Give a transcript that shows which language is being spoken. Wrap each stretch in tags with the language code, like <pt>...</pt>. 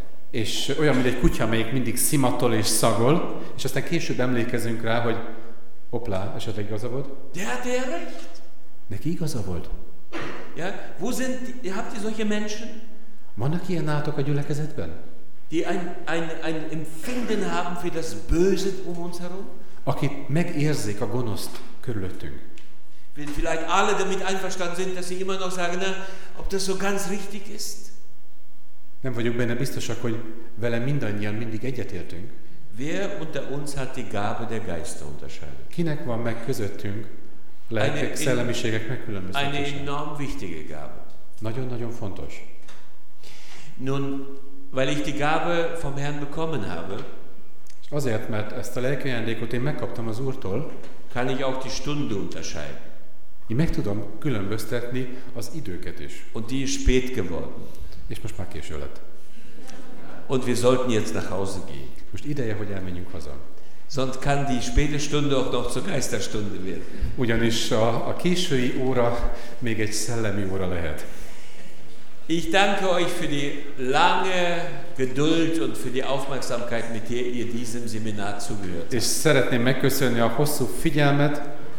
<hu>És olyan, mint egy kutya, melyik mindig szimatol és szagol, és aztán később emlékezünk rá, hogy hoppla, esetleg igaza volt.</hu> <de>Der hatte recht.</de> <hu>Neki igaza volt.</hu> <de>Ja, wo sind, habt ihr solche Menschen?</de> <hu>Vannak ilyen nátok a gyülekezetben?</hu> <de>Die ein Empfinden haben für das Böse um uns herum?</de> <hu>Aki megérzik a gonoszt körülöttünk.</hu> <de>Wenn vielleicht alle damit einverstanden sind, dass sie immer noch sagen, na, ob das so ganz richtig ist.</de> <hu>Nem vagyunk benne biztosak, hogy vele mindannyian mindig egyetértünk.</hu> <de>Wer unter uns hat die Gabe der Geister unterscheidet?</de> <hu>Kinek van meg közöttünk lelkek, szellemiségek megkülönböztetése?</hu> <de>Eine enorm wichtige Gabe.</de> <hu>Nagyon-nagyon fontos.</hu> <de>Nun, weil ich die Gabe vom Herrn bekommen habe,</de> <hu>és azért, mert ezt a lelki ajándékot én megkaptam az Úrtól,</hu> <de>kann ich auch die Stunde unterscheiden.</de> <hu>Én meg tudom különböztetni az időket is.</hu> <de>Und die ist spät geworden.</de> <hu>És most már késő lett.</hu> <de>Und wir sollten jetzt nach Hause gehen.</de> <hu>Most ideje, hogy elmenjünk haza.</hu> <de>Sonst kann die späte Stunde auch noch zur Geisterstunde werden.</de> <hu>Ugyanis a késői óra még egy szellemi óra lehet.</hu> <de>Ich danke euch für die lange Geduld und für die Aufmerksamkeit, mit der ihr diesem Seminar zugehört.</de> <hu>És szeretném megköszönni a hosszú figyelmet,</hu>